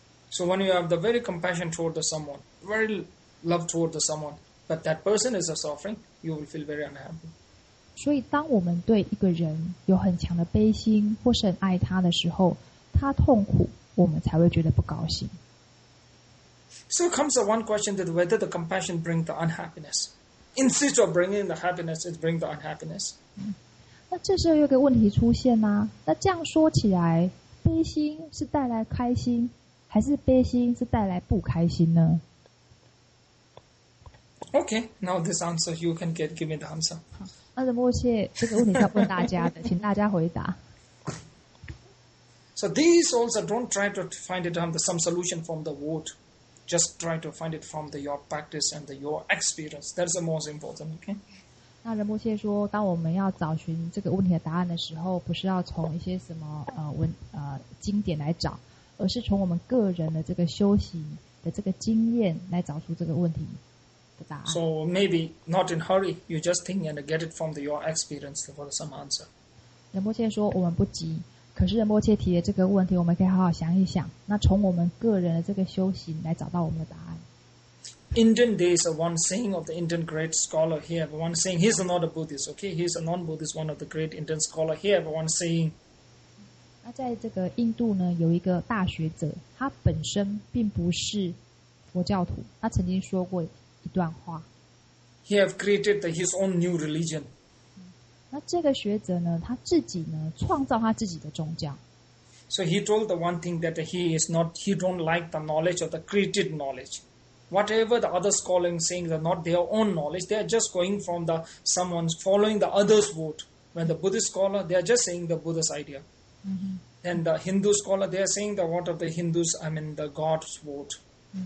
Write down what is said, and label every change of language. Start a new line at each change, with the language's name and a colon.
English: So when you have the very compassion toward someone, very love toward someone, but that person is suffering, you will feel very unhappy.
Chinese: 所以当我们对一个人有很强的悲心或是很爱他的时候，他痛苦，我们才会觉得不高兴。
English: So it comes to one question, that whether the compassion brings the unhappiness. Instead of bringing the happiness, it brings the unhappiness.
Chinese: 那这时候有一个问题出现啊，那这样说起来，悲心是带来开心，还是悲心是带来不开心呢？
English: Okay, now this answer, you can get, give me the answer.
Chinese: 那这默契，这个问题是要问大家的，请大家回答。
English: So these also don't try to find it on some solution from the word. Just try to find it from the, your practice and the, your experience. That's the most important, okay?
Chinese: 那仁波切说，当我们要找寻这个问题的答案的时候，不是要从一些什么经典来找，而是从我们个人的这个修行的这个经验来找出这个问题的答案。
English: So maybe not in hurry. You just think and get it from the, your experience for some answer.
Chinese: 仁波切说，我们不急。可是仁波切提的这个问题，我们可以好好想一想。那从我们个人的这个修行来找到我们的答案。
English: Indian, there is one saying of the Indian great scholar here. One saying, he's not a Buddhist. Okay, he's a non-Buddhist. One of the great Indian scholar here. One saying.
Chinese: 那在这个印度呢，有一个大学者，他本身并不是佛教徒，他曾经说过一段话。
English: He have created his own new religion.
Chinese: 那这个学者呢，他自己呢，创造他自己的宗教。
English: So he told the one thing that he is not, he don't like the knowledge of the created knowledge. Whatever the other scholars saying are not their own knowledge, they are just going from the someone's following the other's word. When the Buddhist scholar, they are just saying the Buddha's idea. Mm-hmm. And the Hindu scholar, they are saying the word of the Hindus, I mean the God's word. Mm-hmm.